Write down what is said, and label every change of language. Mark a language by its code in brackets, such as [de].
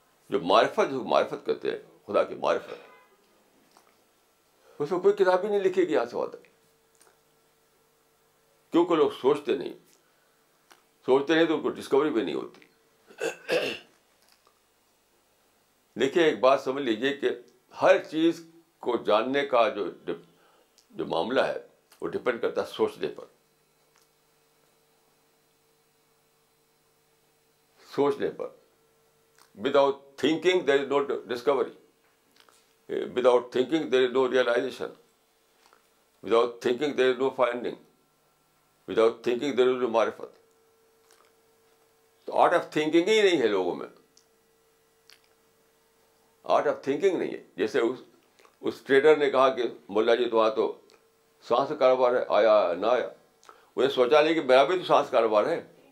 [ur] جو معرفت, جو معرفت کہتے ہیں خدا کی معرفت, اس میں کوئی کتاب ہی نہیں لکھے گی. یہاں سے بات ہے, کیونکہ لوگ سوچتے نہیں تو ان کو ڈسکوری بھی نہیں ہوتی. دیکھیے, ایک بات سمجھ لیجئے کہ ہر چیز کو جاننے کا جو معاملہ ہے وہ ڈپینڈ کرتا ہے سوچنے پر. سوچنے پر, [en] without thinking there is no discovery, without thinking there is no realization, without thinking there is no finding, without thinking there is no معرفت. [ur] تو آرٹ آف تھنکنگ ہی نہیں ہے لوگوں میں, آرٹ آف تھنکنگ نہیں ہے. جیسے اس ٹریڈر نے کہا کہ مولا جی تو تو سانس کاروبار ہے, آیا نہ آیا, انہیں سوچا نہیں کہ میرا بھی تو سانس کاروبار ہے.